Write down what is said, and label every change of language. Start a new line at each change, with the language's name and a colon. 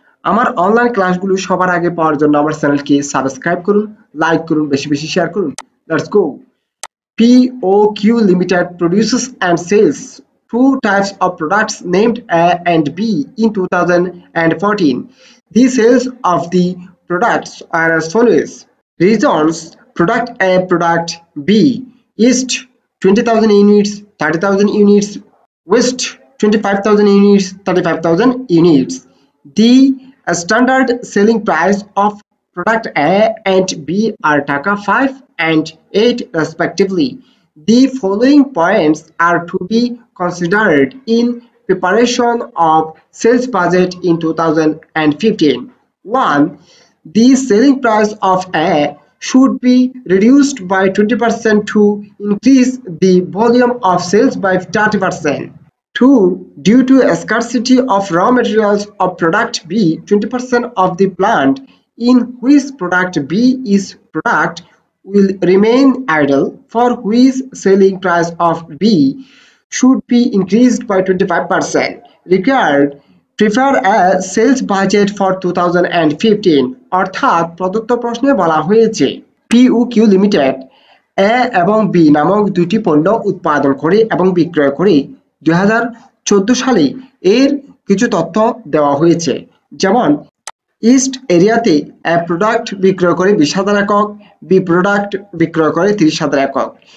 Bangla: আমার অনলাইন ক্লাসগুলো সবার আগে পাওয়ার জন্য আমার চ্যানেলকে সাবস্ক্রাইব করুন, লাইক করুন, বেশি বেশি শেয়ার করুন।
English: Let's go. P O Q limited produces and sales two types of products named A and B in 2014। The sales of the products are as follows. Reasons: product A, product B is 20,000 units, 30,000 units, waste 25,000 units, 35,000 units. The standard selling price of product A and B are taka 5 and 8 respectively. The following points are to be considered in preparation of sales budget in 2015. 1. The selling price of A should be reduced by 20% to increase the volume of sales by 30%. 2. Due to a scarcity of raw materials of product B, 20% of the plant in which product B is product will remain idle, for which selling price of B should be increased by 25%. Required: prepare a sales budget for 2015.
Bangla: অর্থাৎ প্রদত্ত প্রশ্নে বলা হয়েছে PUQ limited A এবং B নামক দুটি পণ্য উৎপাদন করে এবং বিক্রয় করে 2014 সালে এর কিছু তথ্য দেওয়া হয়েছে। যেমন ইস্ট এরিয়াতে A প্রোডাক্ট বিক্রয় করে 20,000 একক, B প্রোডাক্ট বিক্রয় করে 30,000 একক।